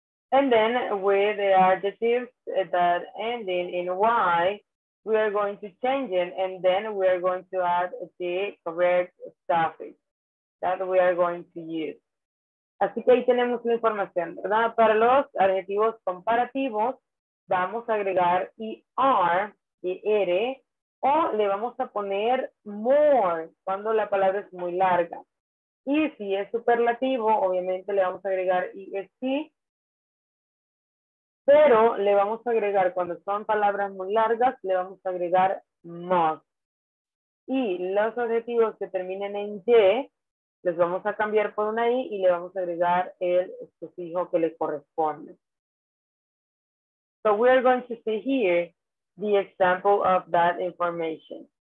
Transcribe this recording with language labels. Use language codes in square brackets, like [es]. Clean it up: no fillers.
[en] And then with the adjectives that ending in Y, we are going to change it, and then we are going to add the correct suffix that we are going to use. [es] Así que ahí tenemos la información, ¿verdad? Para los adjetivos comparativos, vamos a agregar ER, ER, o le vamos a poner more cuando la palabra es muy larga. Y si es superlativo, obviamente le vamos a agregar IST, pero le vamos a agregar, cuando son palabras muy largas, le vamos a agregar MUST. Y los adjetivos que terminen en Y, les vamos a cambiar por una I y le vamos a agregar el sufijo que le corresponde. [en] So we are going to see here the example of that information.